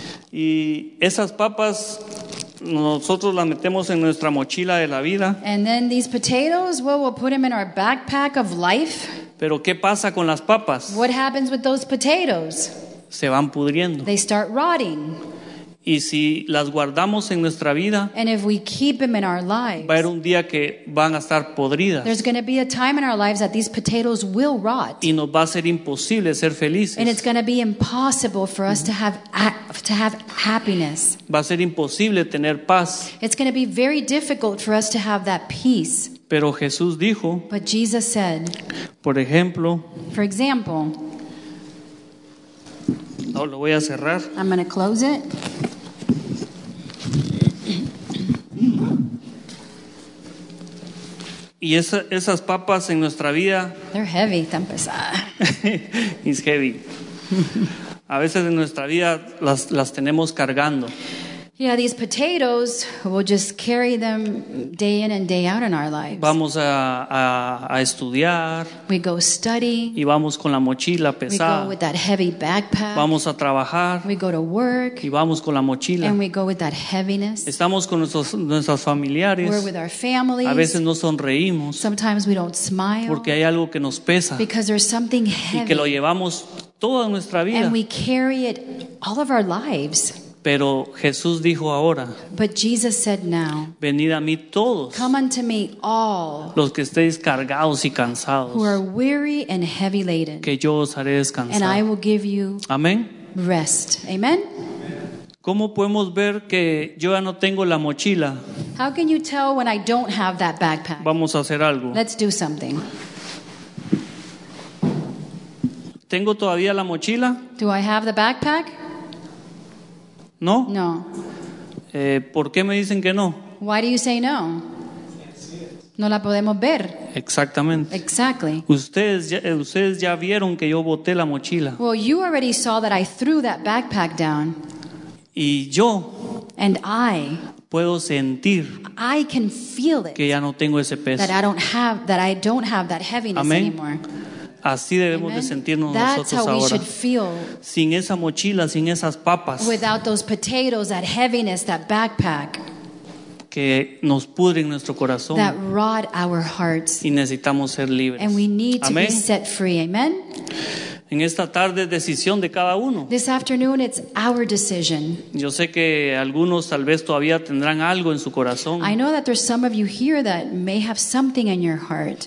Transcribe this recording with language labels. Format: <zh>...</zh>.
<es>Y esas papas nosotros las metemos en nuestra mochila de la vida.</es> <en>And then these potatoes, well, we'll put them in our backpack of life.</en> <es>Pero ¿qué pasa con las papas?</es> <en>What happens with those potatoes?</en> <es>Se van pudriendo.</es> <en>They start rotting.</en> <es>Y si las guardamos en nuestra vida,</es> <en>and if we keep them in our lives,</en> <es>va a haber un día que van a estar podridas.</es> <en>There's going to be a time in our lives that these potatoes will rot.</en> <es>Y nos va a ser imposible ser felices.</es> <en>And it's going to be impossible for us to have happiness.</en> <es>Va a ser imposible tener paz.</es> <en>It's going to be very difficult for us to have that peace.</en> <es>Pero Jesús dijo,</es> <en>but Jesus said,</en> <es>por ejemplo,</es> <en>for example,</en> <es>no, lo voy a cerrar.</es> <en>I'm going to close it.</en> <es>Y esas papas en nuestra vida,</es> <en>they're heavy,</en> <es>tan pesada.</es> <en>It's heavy.</en> <es>A veces en nuestra vida las tenemos cargando.</es> <en>Yeah, these potatoes, we'll just carry them day in and day out in our lives.</en> <es>Vamos a estudiar.</es> <en>We go study.</en> <es>Y vamos con la mochila pesada.</es> <en>We go with that heavy backpack.</en> <es>Vamos a trabajar.</es> <en>We go to work.</en> <es>Y vamos con la mochila.</es> <en>And we go with that heaviness.</en> <es>Estamos con nuestras familiares.</es> <en>We're with our families.</en> <es>A veces no sonreímos.</es> <en>Sometimes we don't smile.</en> <es>Porque hay algo que nos pesa.</es> <en>Because there's something heavy.</en> <es>Y que lo llevamos toda nuestra vida.</es> <en>And we carry it all of our lives.</en> <es>Pero Jesús dijo ahora,</es> <en>but Jesus said now,</en> <es>venid a mí todos,</es> <en>come unto me all,</en> <es>los que estéis cargados y cansados,</es> <en>who are weary and heavy laden,</en> <es>que yo os haré descansar,</es> <en>and I will give you</en> <es>amen.</es> <en>Rest. Amen?</en> <es>¿Cómo podemos ver que yo ya no tengo la mochila?</es> <en>How can you tell when I don't have that backpack?</en> <es>Vamos a hacer algo.</es> <en>Let's do something.</en> <es>¿Tengo todavía la mochila?</es> <en>Do I have the backpack?</en> <es>No.</es> <en>No.</en> <es>¿Por qué me dicen que no?</es> <en>Why do you say no?</en> <es>No la podemos ver. Exactamente.</es> <en>Exactly.</en> <es>Ustedes ya vieron que yo boté la mochila.</es> <en>Well, you already saw that I threw that backpack down.</en> <es>Y yo.</es> <en>And I.</en> <es>Puedo sentir.</es> <en>I can feel it.</en> <es>Que ya no tengo ese peso.</es> <en>That I don't have that heaviness</en> <es>amén.</es> <en>Anymore.</en> <es>Así debemos</es> <en>amen.</en> <es>De sentirnos</es> <en>that's</en> <es>nosotros</es> <en>how</en> <es>ahora.</es> <en>We should feel,</en> <es>sin esa mochila, sin esas papas.</es> <en>Without those potatoes, that heaviness, that backpack.</en> <es>Que nos pudren nuestro corazón.</es> <en>That rot our hearts.</en> <es>Y necesitamos ser libres.</es> <en>And we need to amen. Be set free. Amen.</en> <es>En esta tarde es decisión de cada uno.</es> <en>This afternoon it's our decision.</en> <es>Yo sé que algunos tal vez todavía tendrán algo en su corazón.</es> <en>I know that there's some of you here that may have something in your heart.</en>